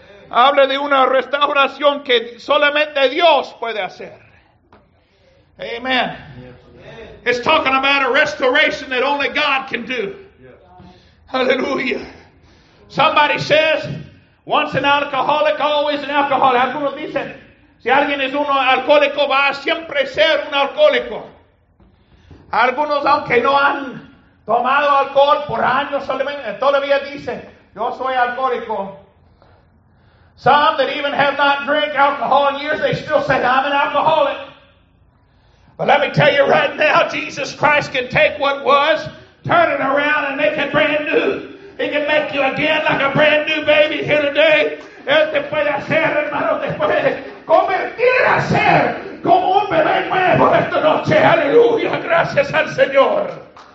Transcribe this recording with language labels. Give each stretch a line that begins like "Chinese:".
Spanish: Hable de una restauración que solamente Dios puede hacer. Amen.
English: It's talking about a restoration that only God can do. Hallelujah. Somebody says, once an alcoholic, always an alcoholic.
Spanish: Algunos dicen, si alguien es un alcohólico, va a siempre ser un alcohólico. Algunos, aunque no han tomado alcohol por años, solamente, todavía dicen, yo soy alcohólico.
English: Some that even have not drank alcohol in years, they still say, I'm an alcoholic. But let me tell you right now, Jesus Christ can take what was, turn it around and make it brand new. He can make you again like a brand new baby here today.
Spanish: Él te puede hacer, hermano, te puede convertir a ser como un bebé nuevo esta noche. Aleluya, gracias al Señor.